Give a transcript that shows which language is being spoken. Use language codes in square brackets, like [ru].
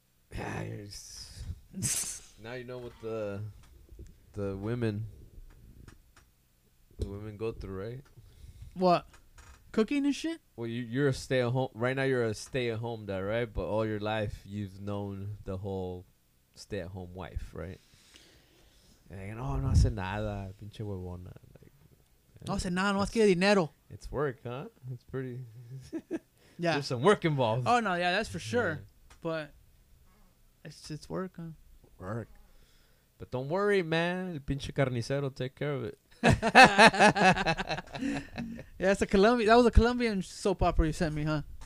[en] Yeah, you're just now you know what the women go through, right? What? Cooking and shit? Well, you're a stay-at-home. Right now you're a stay-at-home dad, right? But all your life you've known the whole stay-at-home wife, right? And you know, [es] no hace nada, pinche huevona. [en] No, I said, nah, no, [es] más que dinero. [en] It's work, huh? It's pretty. Yeah. There's some work involved. Oh, no, yeah, that's for sure. Yeah. But it's work, huh? Work. But don't worry, man. [es] El pinche carnicero [en] will take care of it. Yeah, it's a Colombian. That was a Colombian soap opera you sent me, huh?